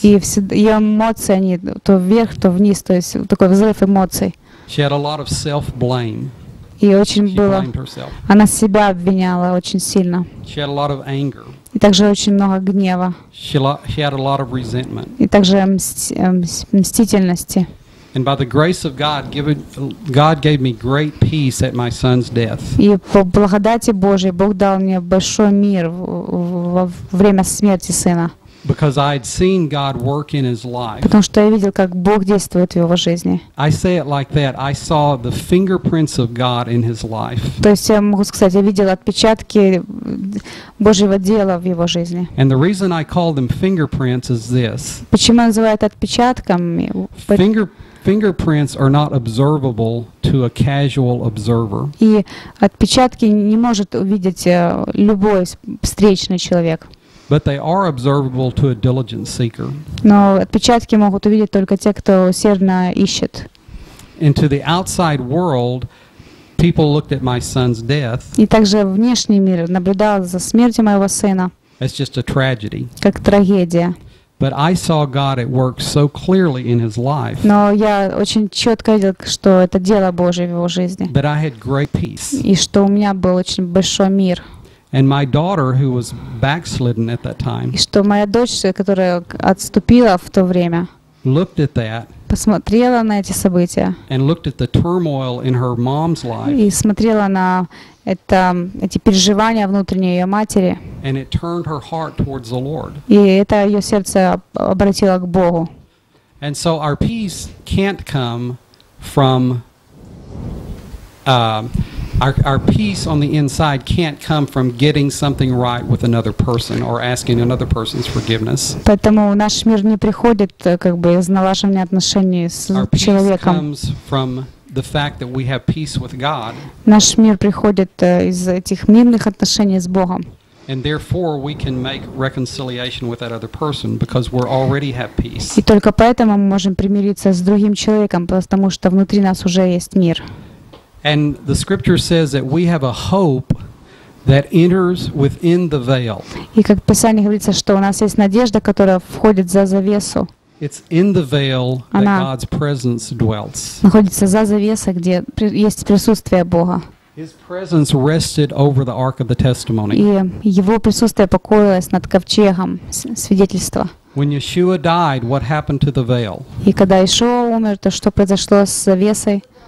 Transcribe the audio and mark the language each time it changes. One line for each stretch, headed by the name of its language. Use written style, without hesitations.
Russian: И все ее эмоции, они то вверх, то вниз, то есть такой взрыв эмоций.
English: She had a lot of self-blame.
Russian: И очень было. Она себя обвиняла очень сильно.
English: She had a lot of anger.
Russian: И также очень много гнева.
English: She had a lot of resentment.
Russian: И также мстительности.
English: And by the grace of God gave me great peace at my son's death.
Russian: И по благодати Божьей Бог дал мне большой мир во время смерти сына.
English: Because I had seen God work in his life.
Russian: Потому что я видел, как Бог действует в его жизни.
English: I say it like that. I saw the fingerprints of God in his life.
Russian: То есть я могу сказать, я видел отпечатки Божьего дела в его жизни.
English: And the reason I call them fingerprints is this.
Russian: Почему я называю это отпечатками?
English: Fingerprints are not observable to a casual observer.
Russian: И отпечатки не может увидеть любой встречный человек.
English: But they are observable to a diligent seeker.
Russian: Но отпечатки могут увидеть только те, кто усердно ищет.
English: And to the outside world, people looked at my son's death.
Russian: И также внешний мир наблюдал за смертью моего сына.
English: It's just a tragedy.
Russian: Как трагедия.
English: But I saw God at work so clearly in his life.
Russian: Но я очень четко видел, что это дело Божье в его жизни.
English: But I had great peace.
Russian: И что у меня был очень большой мир.
English: And my daughter, who was backslidden at that time,
Russian: и что моя дочь, которая отступила в то время,
English: looked at that,
Russian: посмотрела на эти события,
English: and looked at the turmoil in her mom's life,
Russian: и смотрела на это, эти переживания внутренние ее матери,
English: and it turned her heart towards the Lord.
Russian: И это ее сердце обратило к Богу.
English: And so our peace can't come from our peace on the inside can't come from getting something right with another person or asking another person's forgiveness.
Russian: Поэтому наш мир не приходит как бы из налаживания отношений с человеком.
English: Our peace comes from the fact that we have peace with God.
Russian: Наш мир приходит из этих мирных отношений с Богом.
English: And therefore we can make reconciliation with that other person because we already have peace.
Russian: И только поэтому мы можем примириться с другим человеком, потому что внутри нас уже есть мир.
English: And the scripture says that we have a hope that enters within the veil.
Russian: И как Писание говорится, что у нас есть надежда, которая входит за завесу.
English: It's in the veil that God's presence dwells.
Russian: Находится за завесой, где есть присутствие Бога.
English: His presence rested over the ark of the testimony.
Russian: И его присутствие покоилось над ковчегом свидетельства.
English: When Yeshua died, what happened to the veil?
Russian: И когда Иешуа умер, то что произошло с завесой?